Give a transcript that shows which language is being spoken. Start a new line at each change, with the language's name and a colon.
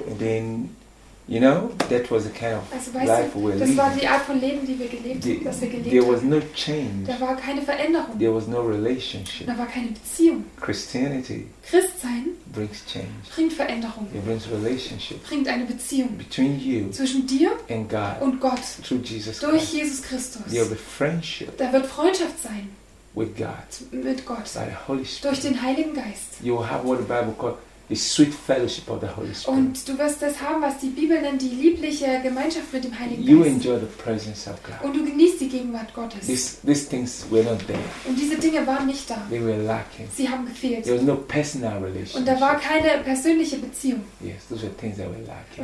English: And then, you know, that was the kind of life we lived.
German: Das war die Art von Leben, die wir gelebt haben, dass wir gelebt haben.
English: There was no change.
German: Da war keine Veränderung.
English: There was no relationship.
German: Da war keine Beziehung.
English: Christianity.
German: Christsein.
English: Brings change.
German: Bringt Veränderung.
English: It brings relationship.
German: Bringt eine Beziehung.
English: Between you.
German: Zwischen dir.
English: And God.
German: Und Gott.
English: Through Jesus.
German: Durch Jesus Christus.
English: There will be friendship.
German: Da wird Freundschaft sein.
English: With God.
German: Mit Gott.
English: By the Holy Spirit.
German: Durch den Heiligen Geist.
English: You will have what the Bible calls the sweet fellowship of the Holy Spirit.
German: Und du wirst das haben, was die Bibel nennt, die liebliche Gemeinschaft mit dem Heiligen Geist.
English: You enjoy the presence of God.
German: Und du genießt die Gegenwart Gottes.
English: These things were not there.
German: Und diese Dinge waren nicht da.
English: They were lacking.
German: Sie haben gefehlt.
English: There was no personal relationship.
German: Und da war keine persönliche Beziehung.
English: Yes, those were things that were lacking.